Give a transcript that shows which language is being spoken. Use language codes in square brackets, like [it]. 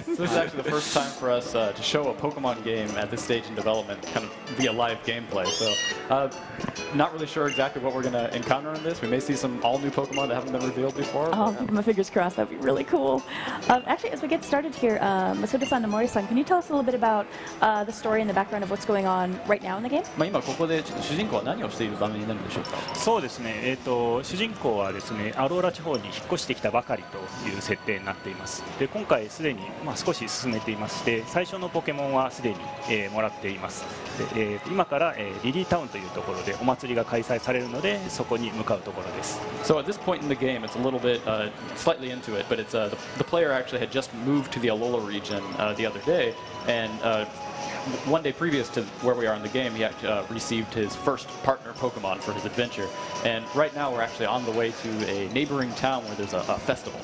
[en] This is actually the first time for us to show a Pokemon game at this stage in development, kind of via live gameplay. So, not really sure exactly what we're going to encounter in this. We may see some all new Pokemon that haven't been revealed before. Oh, keep my fingers crossed. That'd be really cool. Actually, as we get started here, Masuda-san, Nomori-san, can you tell us a little bit about the story and the background of what's going on right now in the game? [ja] まあ今ここでちょっと主人公は何をしている場面になるんでしょうか。そうですね、主人公はですね、アローラ地方に引っ越してきたばかりという設定になっています。で今回すでに、まあ、少し進めていまして、最初のポケモンはすでに、もらっています。で、今から、リリータウンというところでお祭りが開催されるのでそこに向かうところです。 [en] So at this point in the game, it's a little bit slightly into it, but it's the player actually had just moved to the Alola region the other day and one day previous to where we are in the game, he received his first partner Pokemon for his adventure. And right now we're actually on the way to a neighboring town where there's a festival.